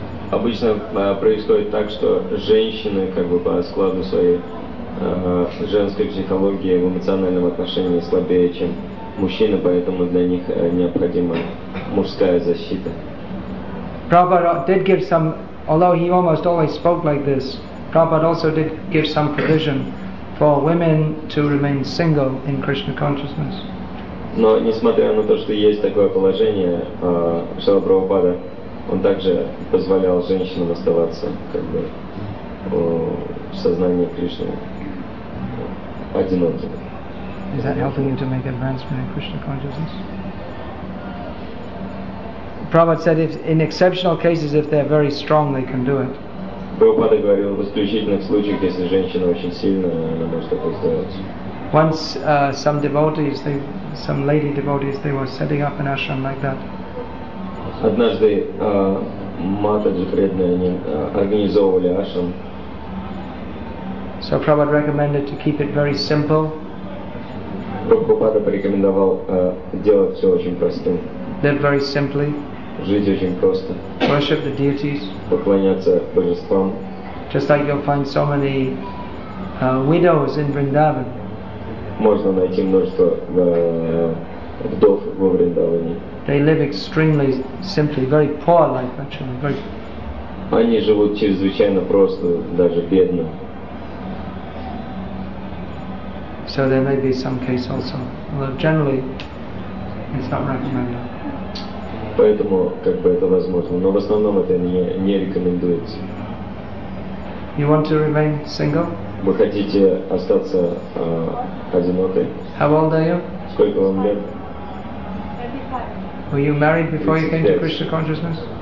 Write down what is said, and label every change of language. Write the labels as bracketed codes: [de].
[ru] Обычно происходит так, что женщины, как бы по складу своей женской психологии в эмоциональном отношении слабее, чем мужчины, поэтому для них необходима мужская защита. [en] Prabhupada did give some, although he almost always spoke like this. Prabhupada also did give some provision for women to remain single in Krishna consciousness. [ru] Но несмотря на то, что есть такое положение, Шрила Прабхупада, он также позволял женщинам оставаться как бы в сознании Кришны одиноким. [en] Is that helping you to make advancement in Krishna consciousness? Prabhupada said, if in exceptional cases, if they're very strong, they can do it. [ru] Прабхупада говорил, в исключительных случаях, если женщина очень сильная, она может это сделать. [en] Once some devotees, some lady devotees, they were setting up an ashram like that. [ru] Однажды матаджи преданные, они организовывали ашрам. [en] So Prabhupada recommended to keep it very simple. [ru] Прабхупада порекомендовал делать все очень простым. [en] Live very simply. [ru] Жить очень просто. [en] Worship the deities. [ru] Поклоняться божествам. [en] Just like you'll find so many widows in Vrindavan. [ru] Можно найти множество вдов во Вриндаване. [en] They live extremely simply, very poor life actually, very. [ru] Они живут чрезвычайно просто, даже бедно. [en] So there may be some case also, although generally it's not recommended. [ru] Поэтому как бы это возможно, но в основном это не рекомендуется. [en] You want to remain single? [ru] Вы хотите остаться одинокой? [en] How old are you? [ru] Сколько вам лет? [en] 35. Were you married before 35. You came to Krishna consciousness?